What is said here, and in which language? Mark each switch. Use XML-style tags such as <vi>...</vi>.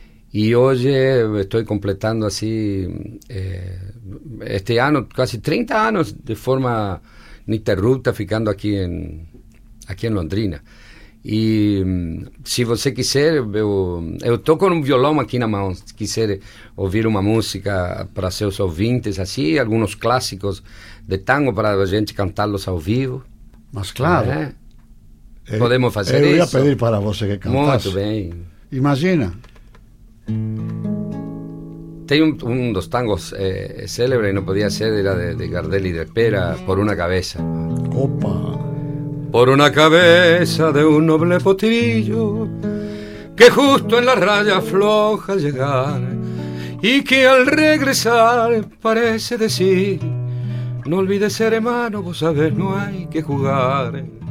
<es>Y hoy estoy completando así, este año, casi 30 años de forma ininterrupta,</es> <pt>ficando</pt> <es>aquí en Londrina. Y si usted</es> <pt>quiser,</pt> <es>yo toco un violón aquí en la mano, si quiser oír una música para sus</es> <pt>ouvintes,</pt> <es>así, algunos clásicos de tango</es> <pt>para a gente</pt> <es>cantarlos</es> <pt>ao vivo. Mas claro. É. Podemos fazer isso. Eu ia pedir para você que cantasse. Muito bem. Imagina. Tem um dos tangos célebres, não podia ser, era de Gardel e de Pera, Por Una Cabeza. Opa!</pt> <es>Por una cabeza de un noble potrillo que justo en la raya floja llegar y que al regresar parece decir: no olvides ser hermano, vos sabés, no hay que jugar.</es>